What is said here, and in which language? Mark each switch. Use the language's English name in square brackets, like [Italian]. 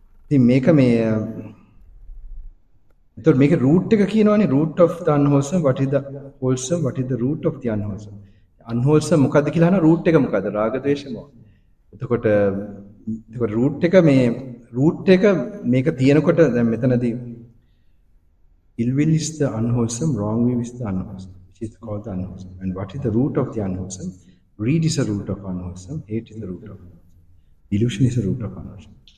[Sinhala] ඉතින් මේක මේ එතකොට මේක රූට් එක කියනවනේ [English] root of the unwholesome, what is the wholesome, what is the root of the unwholesome. [Sinhala] Unwholesome මොකද්ද කියලා අහන root එක මොකද්ද? රාග ద్వේෂ මොහ. එතකොට එතකොට root එක මේ root එක මේක තියෙනකොට දැන් මෙතනදී [English] ill will is the unwholesome, wrong view is the unwholesome, which is called the unwholesome. And what is the root of the unwholesome? Greed is the root of unwholesome, hate is the root of unwholesome, delusion is the root of unwholesome.